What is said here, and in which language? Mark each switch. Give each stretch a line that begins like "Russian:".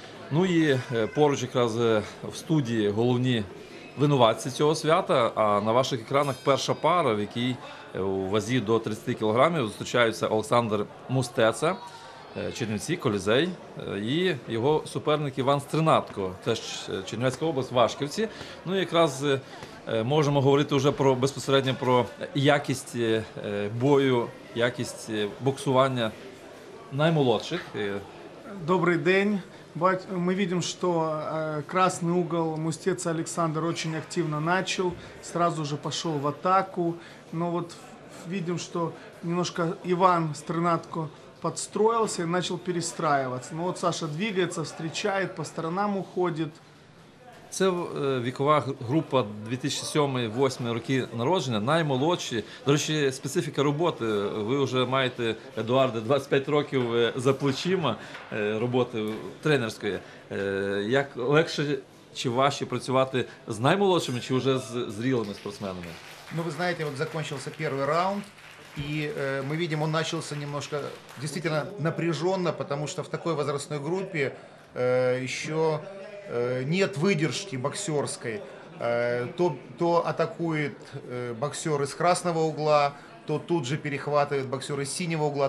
Ukrainian: Ну і поруч якраз в студії головні винуватці цього свята, а на ваших екранах перша пара, в якій у вазі до 30 кілограмів зустрічаються Олександр Мустеца, Чернівці, Колізей, і його суперник Іван Стринатко, теж Чернівецька область, Вашківці. Ну і якраз можемо говорити вже про безпосередньо про якість бою, якість боксування наймолодших. Добрий день.
Russian: Мы видим, что красный угол Мустеца Александр очень активно начал, сразу же пошел в атаку. Но вот видим, что немножко Иван Стринатко подстроился и начал перестраиваться. Но вот Саша двигается, встречает, по сторонам уходит.
Ukrainian: Це вікова група 2007-2008 роки народження, наймолодші. До речі, специфіка роботи. Ви вже маєте, Едуарде, 25 років за плечима роботи тренерської. Як легше чи важче працювати з наймолодшими, чи вже з зрілими спортсменами? Ну, ви знаєте, от закінчився перший раунд.
Russian: И мы видим, он начался немножко действительно напряженно, потому что в такой возрастной группе еще нет выдержки боксерской. То атакует боксер из красного угла, то тут же перехватывает боксер из синего угла.